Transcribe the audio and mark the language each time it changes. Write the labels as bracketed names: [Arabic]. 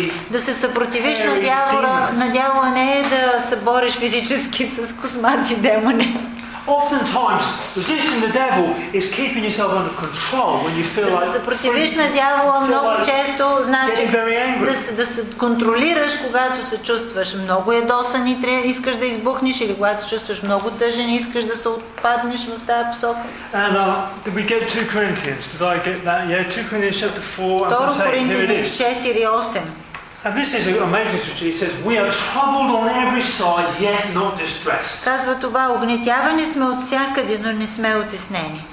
[Bulgarian] Да се съпротивиш на дявола не е да се бориш физически с космати демони. [English] Oftentimes, resisting the devil is keeping yourself under control when you feel like. [Bulgarian] Да се съпротивиш на дявола много често значи да се контролираш, когато се чувстваш много ядосан и искаш да избухнеш, или когато се чувстваш много тъжен и искаш да се отпаднеш в тази посока. [English] And did we get 2 Corinthians? Did I get that? Yeah, 2 Corinthians chapter 4. 2 Corinthians 4:8. And this is amazing. He says, "We are troubled on every side, yet not distressed." [Bulgarian] Казва това: огнетявани сме от всякъде, но не сме утеснени.